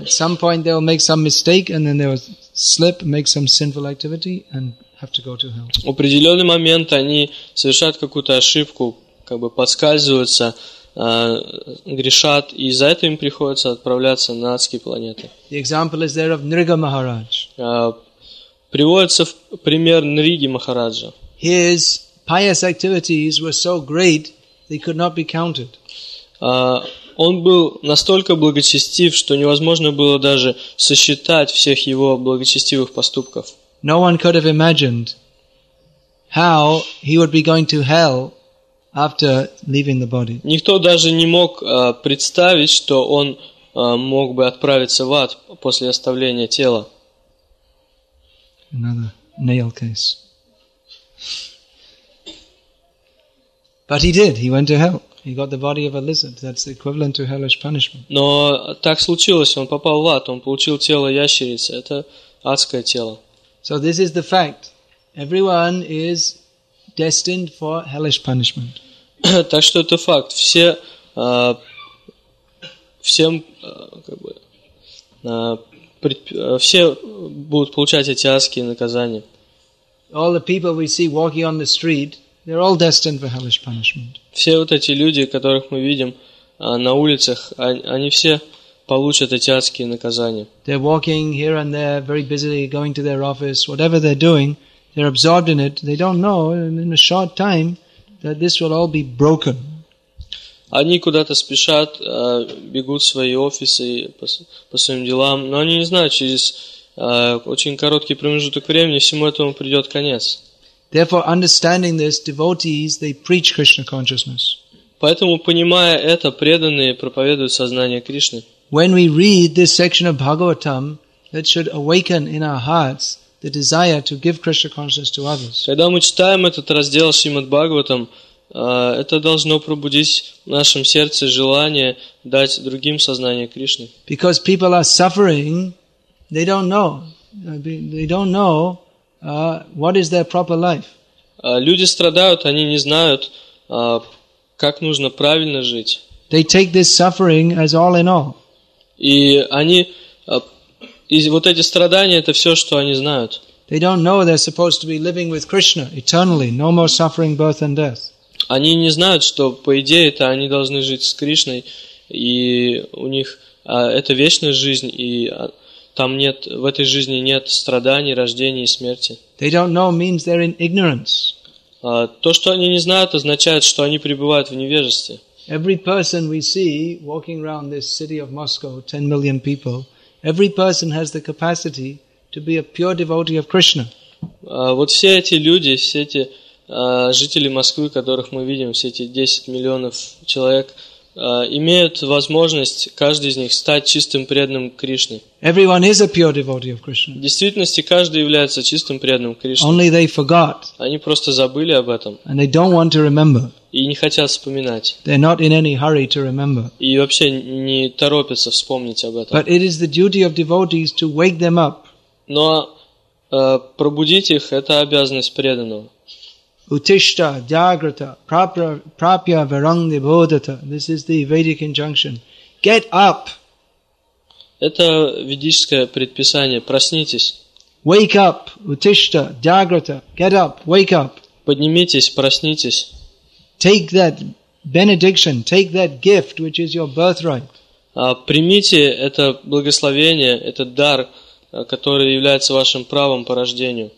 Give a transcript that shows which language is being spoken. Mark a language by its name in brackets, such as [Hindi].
[English] At some point they will make some mistake and then they will slip, make some sinful activity and have to go to hell. [Russian] В определенный момент они совершают какую-то ошибку, как бы подскальзываются, грешат, и за это им приходится отправляться на адские планеты. [English] The example is there of Nriga Maharaj. [Russian] Приводится в пример Нриги Махараджа. [English] His pious activities were so great they could not be counted. [Russian] Он был настолько благочестив, что невозможно было даже сосчитать всех его благочестивых поступков. [English] No one could have imagined how he would be going to hell after leaving the body. [Russian] Никто даже не мог представить, что он мог бы отправиться в ад после оставления тела. [English] Another nail case. But he did. He went to hell. He got the body of a lizard. That's the equivalent to hellish punishment. [Russian] Но так случилось. Он попал в ад. Он получил тело ящерицы. Это адское тело. [English] So this is the fact. Everyone is destined for hellish punishment. [Russian] Так что это факт. Все всем как бы все будут получать эти адские наказания. [English] All the people we see walking on the street, they're all destined for hellish punishment. [Russian] Все вот эти люди, которых мы видим на улицах, они все получат эти адские наказания. [English] They're walking here and there, very busily going to their office, whatever they're doing, they're absorbed in it. They don't know in a short time that this will all be broken. [Russian] Они куда-то спешат, бегут в свои офисы по своим делам, но они не знают, через очень короткий промежуток времени всему этому придет конец. [English] Therefore, understanding this, devotees, they preach Krishna consciousness. [Russian] Поэтому, понимая это, преданные проповедуют сознание Кришны. [English] When we read this section of Bhagavatam, that should awaken in our hearts the desire to give Krishna consciousness to others. [Russian] Когда мы читаем этот раздел Шримад-Бхагаватам, это должно пробудить в нашем сердце желание дать другим сознание Кришны. [English] Because people are suffering, they don't know. What is their proper life? [Russian] Люди страдают, они не знают, как нужно правильно жить. [English] They take this suffering as all in all. [Russian] И вот эти страдания, это все, что они знают. [English] They don't know they're supposed to be living with Krishna eternally, no more suffering, birth and death. [Russian] Они не знают, что по идее-то они должны жить с Кришной, и у них это вечная жизнь, и там нет, в этой жизни нет страданий, рождения и смерти. [English] They don't know means they're in ignorance. [Russian] То, что они не знают, означает, что они пребывают в невежестве. [English] Every person we see walking around this city of Moscow, 10 million people, every person has the capacity to be a pure devotee of Krishna. [Russian] Вот все эти люди, все эти жители Москвы, которых мы видим, все эти 10 миллионов человек, имеют возможность, каждый из них, стать чистым преданным Кришне. [English] Everyone is a pure devotee of Krishna. [Russian] В действительности, каждый является чистым преданным Кришне. [English] Only they forgot. [Russian] Они просто забыли об этом. [English] And they don't want to remember. [Russian] И не хотят вспоминать. [English] They're not in any hurry to remember. [Russian] И вообще не торопятся вспомнить об этом. [English] But it is the duty of devotees to wake them up. [Russian] Но пробудить их – это обязанность преданного. [Sanskrit] Utishta, Jagrata, Prapya, Varangnibodhata. [English] This is the Vedic injunction. Get up! [Russian] Это ведическое предписание. Проснитесь. [English] Wake up! [Sanskrit] Utishta, Jagrata. [English] Get up! Wake up! [Russian] Поднимитесь, проснитесь. [English] Take that benediction, take that gift, which is your birthright. [Russian] Примите это благословение, этот дар, который является вашим правом по рождению.